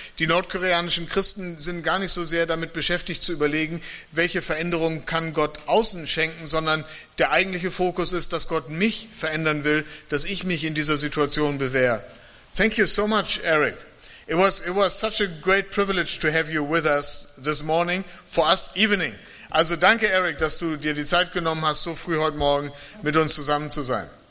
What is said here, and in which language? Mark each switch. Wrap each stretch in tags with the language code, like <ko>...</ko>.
<de>Die nordkoreanischen Christen sind gar nicht so sehr damit beschäftigt zu überlegen, welche Veränderungen kann Gott außen schenken, sondern der eigentliche Fokus ist, dass Gott mich verändern will, dass ich mich in dieser Situation bewähre.</de> <en>Thank you so much, Eric. It was such a great privilege to have you with us this morning, for us evening.</en> <de>Also danke, Eric, dass du dir die Zeit genommen hast, so früh heute Morgen mit uns zusammen zu sein.</de>